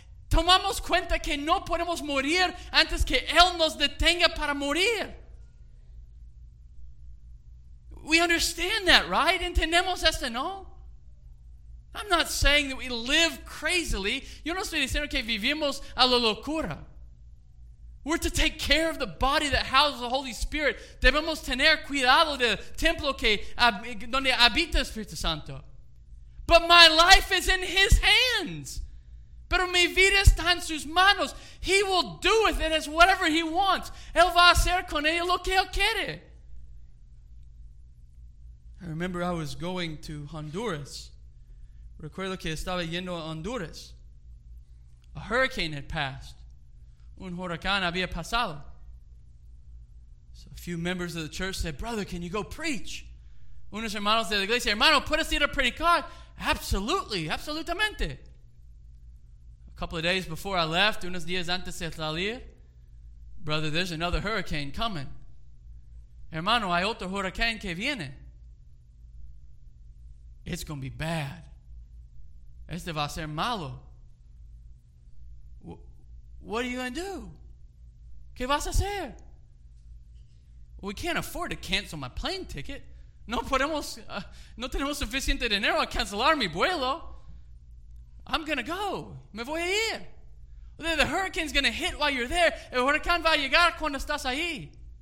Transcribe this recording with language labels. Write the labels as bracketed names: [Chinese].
[Spanish] Tomamos cuenta que no podemos morir antes que él nos detenga para morir. [English] We understand that, right? [Spanish] Entendemos esto, ¿no? [English] I'm not saying that we live crazily. [Spanish] Yo no estoy diciendo que vivimos a la locura. [English] We're to take care of the body that houses the Holy Spirit. [Spanish] Debemos tener cuidado del templo que donde habita el Espíritu Santo. [English] But my life is in his hands. [Spanish] Pero mi vida está en sus manos. [English] He will do with it as whatever he wants. [Spanish] Él va a hacer con ella lo que él quiere. [English] I remember I was going to Honduras. [Spanish] Recuerdo que estaba yendo a Honduras. [English] A hurricane had passed. [Spanish] Un huracán había pasado. [English] So a few members of the church said, "Brother, can you go preach?" [Spanish] Unos hermanos de la iglesia, "Hermano, ¿puedes ir a predicar?" [English] "Absolutely, absolutamente." A couple of days before I left, [Spanish] unos días antes de salir, [English] "Brother, there's another hurricane coming." [Spanish] "Hermano, hay otro huracán que viene." [English] "It's going to be bad. [Spanish] Este va a ser malo." [English] "What are you going to do? [Spanish] ¿Qué vas a hacer?" [English] "We can't afford to cancel my plane ticket. [Spanish] No podemos, no tenemos suficiente dinero a cancelar mi vuelo. [English] I'm going to go. [Spanish] Me voy a ir." [English] "The hurricane's going to hit while you're there. [Spanish] El huracán va a llegar cuando estás ahí."